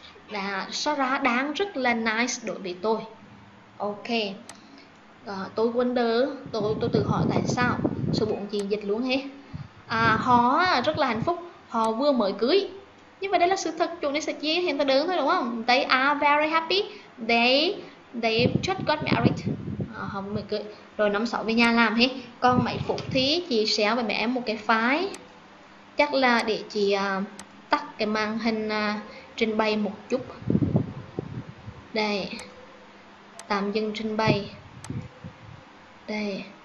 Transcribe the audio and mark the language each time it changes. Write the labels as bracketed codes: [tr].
[vi] Là Sarah đang rất là nice đối với tôi. Ok. Tôi wonder, tôi tự hỏi tại sao. Số 4 chị dịch luôn hết. Họ rất là hạnh phúc, họ vừa mới cưới. Nhưng mà đây là sự thật, chúng ta sẽ chia hiện tại đứng thôi đúng không? [en] They are very happy, they just got married. [vi] Họ mới cưới. Rồi năm sáu về nhà làm hết. Còn mấy phút thì chị xéo với mẹ em một cái file. Chắc là để chị tắt cái màn hình trình bày một chút. Đây. Tạm dừng trình bày. Đây.